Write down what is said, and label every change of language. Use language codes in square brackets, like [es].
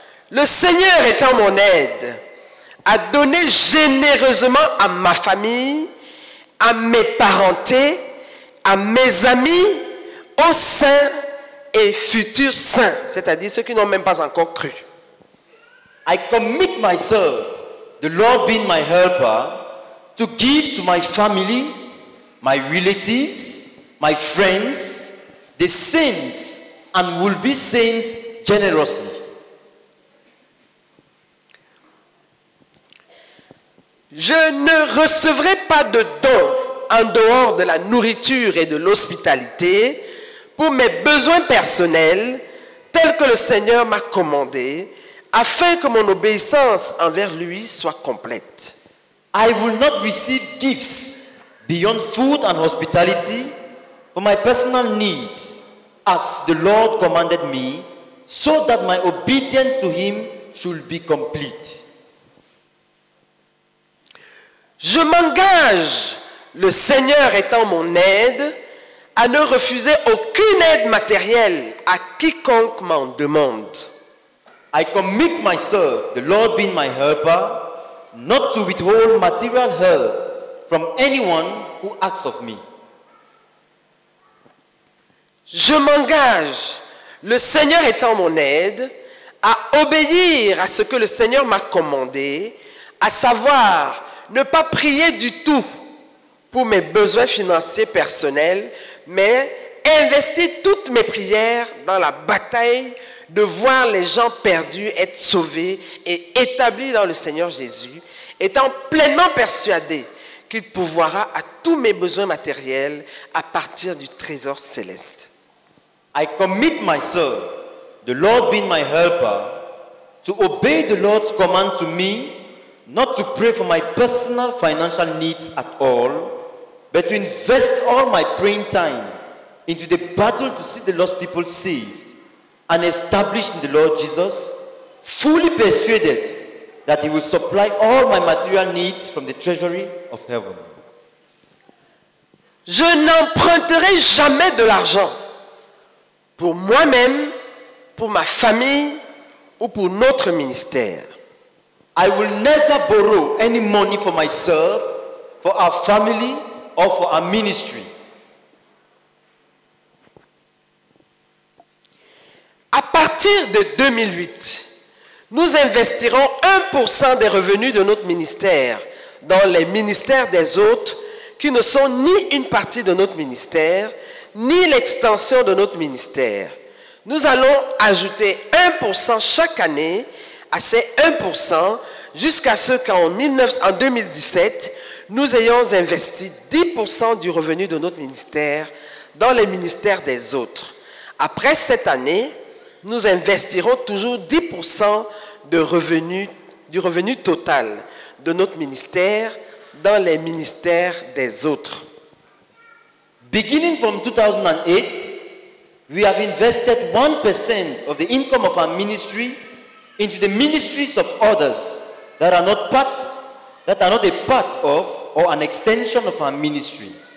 [fr] Le Seigneur étant mon aide, a donné généreusement à ma famille, à mes parentés, à mes amis, aux saints et futurs saints, c'est-à-dire ceux qui n'ont même pas encore cru. [en] I commit myself, the Lord being my helper, to give to my family, my relatives, my friends, the saints and will be saints generously. [fr] Je ne recevrai pas de dons en dehors de la nourriture et de l'hospitalité pour mes besoins personnels tels que le Seigneur m'a commandé afin que mon obéissance envers lui soit complète. [en] I will not receive gifts beyond food and hospitality for my personal needs as the Lord commanded me so that my obedience to him should be complete. [fr] Je m'engage, le Seigneur étant mon aide, à ne refuser aucune aide matérielle à quiconque m'en demande. [en] I commit myself, the Lord being my helper, not to withhold material help from anyone who asks of me. [fr] Je m'engage, le Seigneur étant mon aide, à obéir à ce que le Seigneur m'a commandé, à savoir ne pas prier du tout pour mes besoins financiers personnels, mais investi toutes mes prières dans la bataille de voir les gens perdus être sauvés et établis dans le Seigneur Jésus, étant pleinement persuadé qu'il pourvoira à tous mes besoins matériels à partir du trésor céleste. [en] I commit myself, the Lord being my helper, to obey the Lord's command to me, not to pray for my personal financial needs at all, but to invest all my praying time into the battle to see the lost people saved and established in the Lord Jesus, fully persuaded that he will supply all my material needs from the treasury of heaven. [fr] Je n'emprunterai jamais de l'argent pour moi-même, pour ma famille ou pour notre ministère. [en] I will never borrow any money for myself, for our family or for our ministry. [fr] À partir de 2008, nous investirons 1% des revenus de notre ministère dans les ministères des autres qui ne sont ni une partie de notre ministère, ni l'extension de notre ministère. Nous allons ajouter 1% chaque année à ces 1% jusqu'à ce qu'en 2017, nous ayons investi 10% du revenu de notre ministère dans les ministères des autres. Après cette année, nous investirons toujours 10% du revenu total de notre ministère dans les ministères des autres. [en] Beginning from 2008, we have invested 1% of the income of our ministry into the ministries of others that are not a part of or an extension of our ministry.